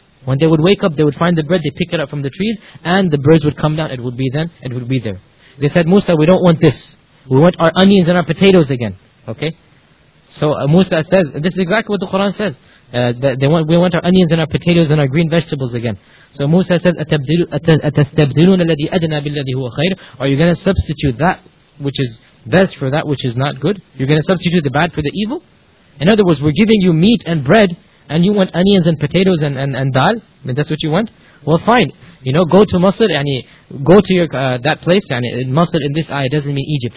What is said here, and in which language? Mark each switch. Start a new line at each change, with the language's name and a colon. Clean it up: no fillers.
English: When they would wake up, they would find the bread, they pick it up from the trees, and the birds would come down, it would be there. They said, Musa, we don't want this. We want our onions and our potatoes again. Okay? So Musa says, this is exactly what the Quran says. We want our onions and our potatoes and our green vegetables again.
Arabic: So Musa says, أَتَسْتَبْدِلُونَ الَّذِي أَدْنَى بِالَّذِي هُوَ خَيْرٌ.
English: Are you going to substitute that which is best for that which is not good? You're going to substitute the bad for the evil? In other words, we're giving you meat and bread, and you want onions and potatoes and dal? And that's what you want? Well, fine. You know, go to Masr, and go to your that place, and Masr in this ayah doesn't mean Egypt.